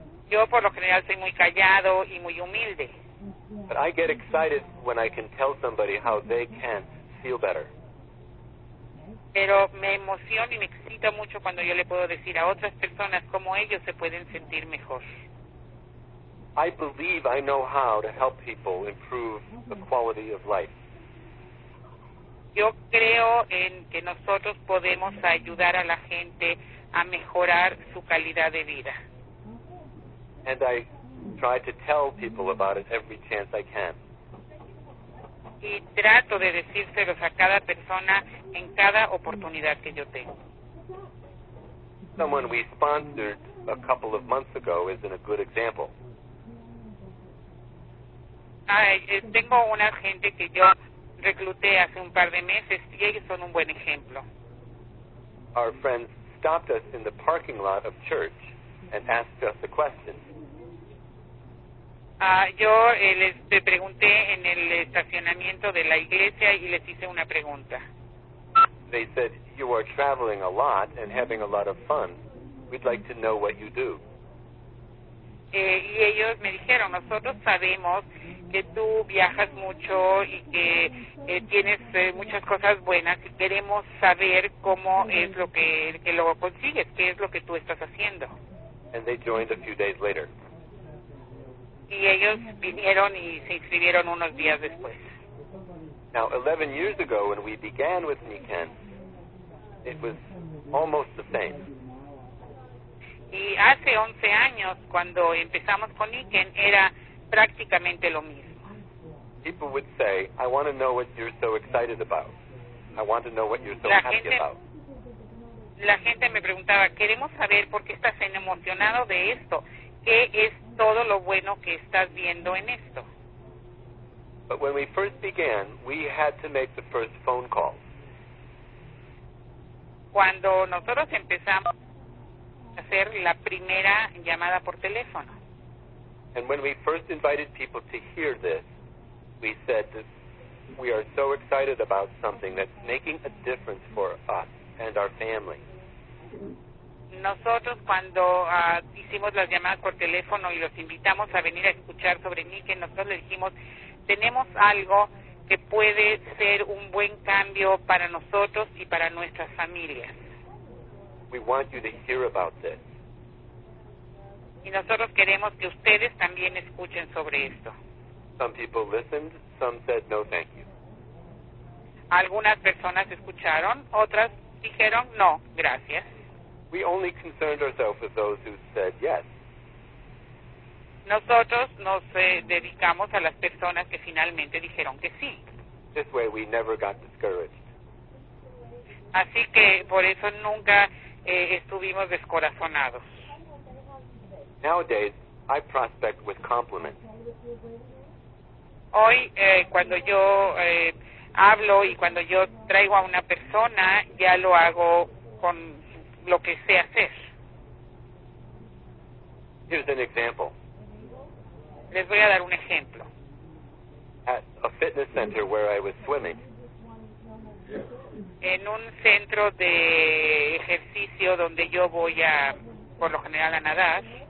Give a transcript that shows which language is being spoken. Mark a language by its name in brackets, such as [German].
[Spanish] Yo, por lo general, soy muy callado y muy humilde. [English] But I get excited when I can tell somebody how they can feel better. [Spanish] pero me emociona y me excita mucho cuando yo le puedo decir a otras personas cómo ellos se pueden sentir mejor. [English] I believe I know how to help people improve the quality of life. [Spanish] Yo creo en que nosotros podemos ayudar a la gente a mejorar su calidad de vida. [English] And I try to tell people about it every chance I can. [Spanish] Y trato de decírselos a cada persona en cada oportunidad que yo tengo. [English] Someone we sponsored a couple of months ago is in a good example. [Spanish] Tengo una gente que yo recluté hace un par de meses y ellos son un buen ejemplo. [English] Our friends stopped us in the parking lot of church and asked us a question. [Spanish] Yo les pregunté en el estacionamiento de la iglesia y les hice una pregunta. [English] They said, you are traveling a lot and having a lot of fun. We'd like to know what you do. [Spanish] Y ellos me dijeron, nosotros sabemos que tú viajas mucho y que tienes muchas cosas buenas y queremos saber cómo es lo que lo consigues, qué es lo que tú estás haciendo. [English] And they joined a few days later. [Spanish] Y ellos vinieron y se inscribieron unos días después. [English] Now, 11 years ago when we began with Niken, it was almost the same. [Spanish] Y hace 11 años cuando empezamos con Niken era prácticamente lo mismo. [English] People would say, I want to know what you're so excited about. I want to know what you're so happy about. [Spanish] La gente me preguntaba, queremos saber por qué estás tan emocionado de esto. ¿Qué es todo lo bueno que estás viendo en esto? [English] But when we first began, we had to make the first phone call. [Spanish] Cuando nosotros empezamos a hacer la primera llamada por teléfono. [English] And when we first invited people to hear this, we said that we are so excited about something that's making a difference for us and our family. [Spanish] Nosotros cuando hicimos las llamadas por teléfono y los invitamos a venir a escuchar sobre Niken, nosotros le dijimos, tenemos algo que puede ser un buen cambio para nosotros y para nuestras familias. [English] We want you to hear about this. [Spanish] Y nosotros queremos que ustedes también escuchen sobre esto. [English] Some people listened, some said no thank you. [Spanish] Algunas personas escucharon, otras dijeron no, gracias. [English] We only concerned ourselves with those who said yes. [Spanish] Nosotros nos dedicamos a las personas que finalmente dijeron que sí. [English] This way we never got discouraged. [Spanish] Así que por eso nunca estuvimos descorazonados. [English] Nowadays, I prospect with compliments. [Spanish] Hoy, cuando yo hablo y cuando yo traigo a una persona, ya lo hago con lo que sé hacer. [English] Here's an example. [Spanish] Les voy a dar un ejemplo. [English] At a fitness center where I was swimming. [Spanish] En un centro de ejercicio donde yo voy a, por lo general, a nadar.